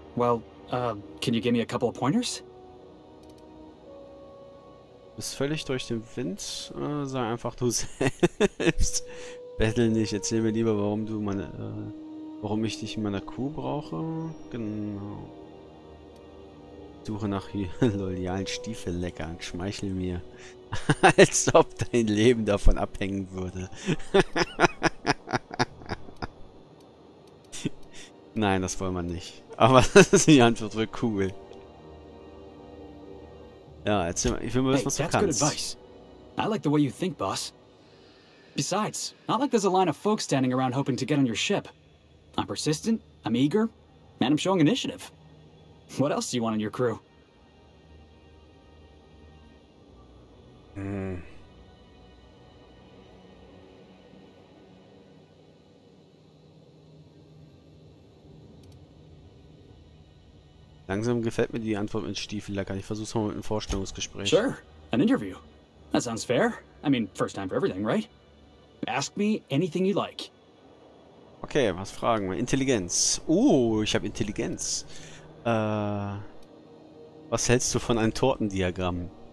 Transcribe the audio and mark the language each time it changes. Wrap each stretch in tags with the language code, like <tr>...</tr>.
<en>Well, can you give me a couple of pointers?</en> <de>Bist völlig durch den Wind, sei einfach du selbst. Bettel nicht, erzähl mir lieber, warum ich dich in meiner Crew brauche. Genau. Suche nach loyalen Stiefelleckern, schmeichel mir. Als ob dein Leben davon abhängen würde. Nein, das wollen wir nicht. Aber die Antwort wird cool. Ja, erzähl mal, ich will mal wissen, was du kannst.</de> <en>Hey, that's good advice. I like the way you think, boss. Besides, not like there's a line of folks standing around hoping to get on your ship. I'm persistent, I'm eager, and I'm showing initiative. What else do you want in your crew?</en> <de>Langsam gefällt mir die Antwort mit Stiefellecker. Ich versuch's mal mit einem Vorstellungsgespräch.</de> <en>Sure, an interview. That sounds fair. I mean, first time for everything, right? Ask me anything you like.</en> <de>Okay, was fragen wir? Intelligenz. Ich habe Intelligenz. Was hältst du von einem Tortendiagramm?</de>